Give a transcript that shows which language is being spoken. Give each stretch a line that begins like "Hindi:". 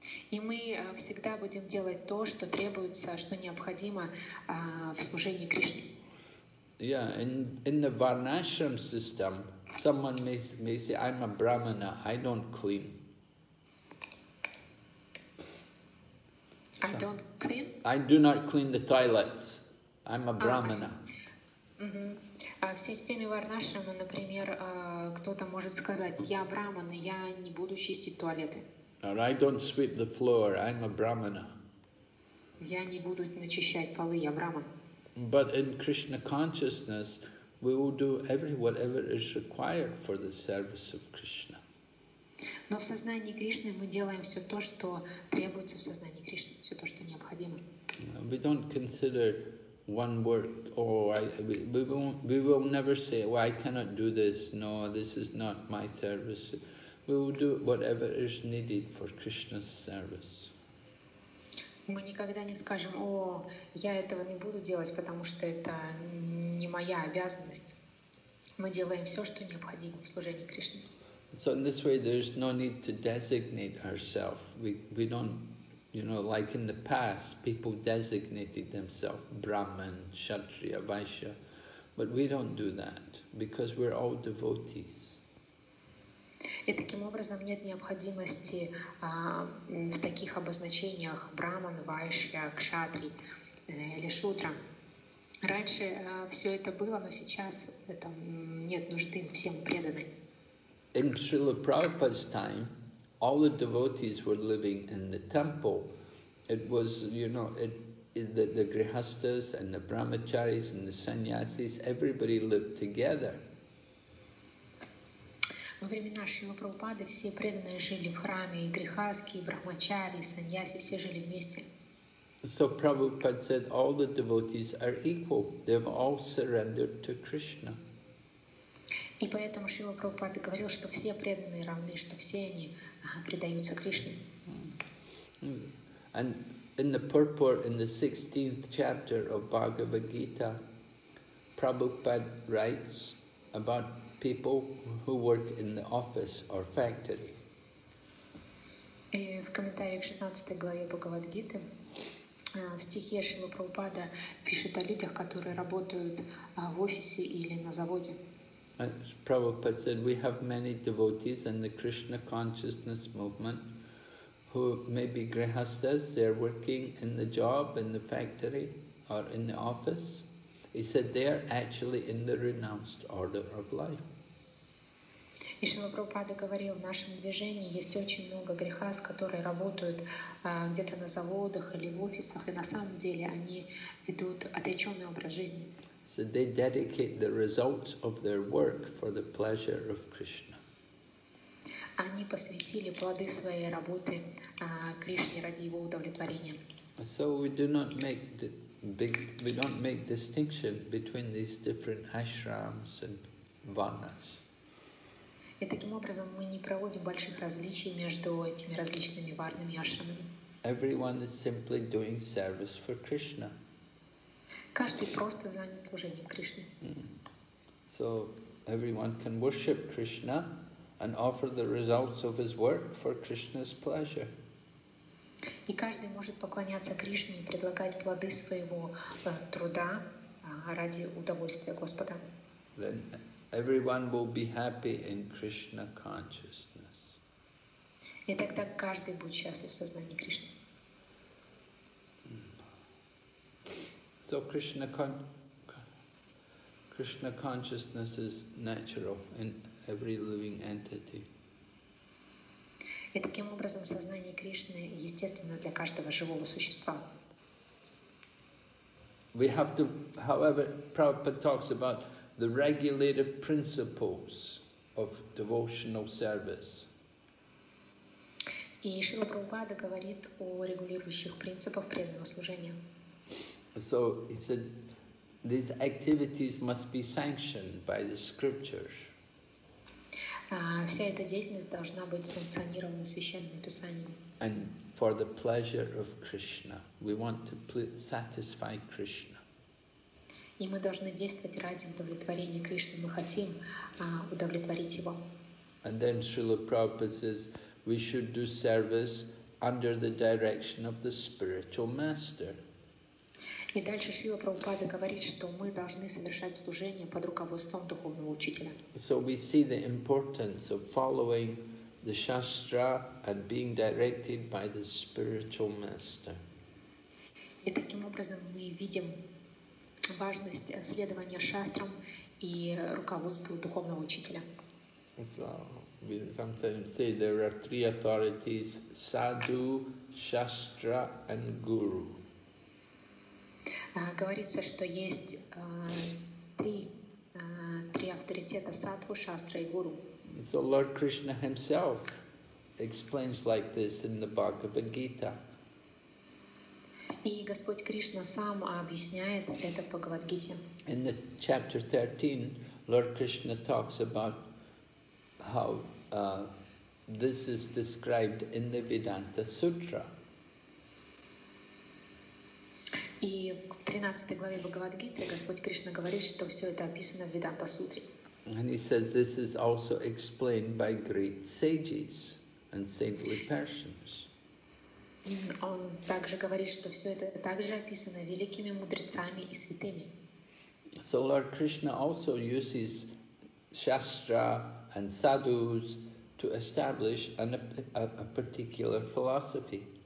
Russian: И мы всегда будем делать то, что требуется, что необходимо в служении Кришне.
English: Yeah, in the Varnashram system, someone may say, I'm a Brahmana, I don't clean. I don't clean? I do not clean the toilets. I'm a Brahmana.
Russian: В системе Варнашрама, например, кто-то может сказать, я Брахмана, я не буду чистить туалеты.
English: Or I don't sweep the floor, I'm a Brahmana.
Russian: Я не буду начищать полы, я Брахман.
English: But in Krishna consciousness, we will do whatever is required for the service of Krishna.
Russian: Но в сознании Кришны мы делаем все то, что требуется в сознании Кришны, все то, что необходимо.
English: We don't consider one work, we will never say, well, I cannot do this, no, this is not my service. We will do whatever is needed for Krishna's service.
Russian: Мы никогда не скажем, о, я этого не буду делать, потому что это не моя обязанность. Мы делаем все, что необходимо в служении Кришне.
English: So in this way, there's no need to designate ourselves. We don't, you know, like in the past, people designated themselves Brahman, Kshatriya, Vaishya, but we don't do that because we're all devotees.
Russian: И таким образом нет необходимости в таких обозначениях Брахман, Вайшья, Кшатри или Шудра. Раньше все это было, но сейчас это нет нужды, всем преданы.
English: In Srila Prabhupada's time, all the devotees were living in the temple. It was, you know, the grihasthas and the brahmacharis and the sannyasis, everybody lived together.
Russian: Во времена Шрилы Прабхупады все преданные жили в храме, и грихаски, и брахмачари, и саньяси, все жили вместе.
English: So Prabhupada said all the devotees are equal, they've all surrendered to Krishna.
Russian: И поэтому Шрила Прабхупада говорил, что все преданные равны, что все они предаются Кришне.
English: And in the purport, in the 16th chapter of Bhagavad Gita, Prabhupada writes about people who work in the office or factory.
Russian: В комментариях к 16 главе Бхагавад-гиты в стихе Шрила Прабхупада пишет о людях, которые работают в офисе или на заводе.
English: As Prabhupada said, we have many devotees in the Krishna consciousness movement who may be grihasthas, they're working in the job, in the factory or in the office. He said they are actually in the renounced order of life.
Russian: И Шрила Прабхупада говорил, в нашем движении есть очень много грехас, которые работают где-то на заводах или в офисах, и на самом деле они ведут отреченный образ жизни.
English: So they dedicate the results of their work for the pleasure of Krishna.
Russian: Они посвятили плоды своей работы Кришне ради его удовлетворения.
English: So we don't make distinction between these different ashrams and varnas.
Russian: И таким образом мы не проводим больших различий между этими различными варнами и ашрамами.
English: Everyone is simply doing service for Krishna.
Russian: Каждый просто занят служением Кришне.
English: So everyone can worship Krishna and offer the results of his work for Krishna's pleasure.
Russian: И каждый может поклоняться Кришне и предлагать плоды своего труда ради удовольствия Господа.
English: Then everyone will be happy in Krishna consciousness.
Russian: И тогда каждый будет счастлив в сознании Кришны.
English: So Krishna consciousness is natural in every living entity.
Russian: И таким образом сознание Кришны естественно для каждого живого существа.
English: We have to, however, Prabhupada talks about the regulative principles of devotional service.
Russian: И Шрила Прабхупада говорит о регулирующих принципах преданного служения.
English: So he said, these activities must be sanctioned by the scriptures.
Russian: Вся эта деятельность должна быть санкционирована Священными Писаниями.
English: And for the pleasure of Krishna, we want to satisfy Krishna.
Russian: И мы должны действовать ради удовлетворения Кришны. Мы хотим удовлетворить Его.
English: And then Srila Prabhupada says, we should do service under the direction of the spiritual master.
Russian: И дальше Шрила Прабхупада говорит, что мы должны совершать служение под руководством духовного учителя.
English: So we see the importance of following the Shastra and being directed by the spiritual master.
Russian: И таким образом мы видим важность следования Шастрам и руководству духовного учителя.
English: So we sometimes say there are three authorities: Sadhu, Shastra and Guru.
Russian: Говорится, что есть три авторитета – садху, шастра и гуру.
English: So Lord Krishna himself explains like this in the Bhagavad Gita.
Russian: И Господь Кришна сам объясняет это в Бхагавад Гите.
English: In the chapter 13, Lord Krishna talks about how this is described in the Vedanta Sutra.
Russian: И в 13 главе Бхагавад-гиты Господь Кришна говорит, что все это описано в Веданта-сутре.
English: And he says this is also explained by great sages and saintly persons.
Russian: Он также говорит, что все это также описано великими мудрецами и святыми.
English: So Lord Krishna also uses shastra and sadhus to establish a particular philosophy.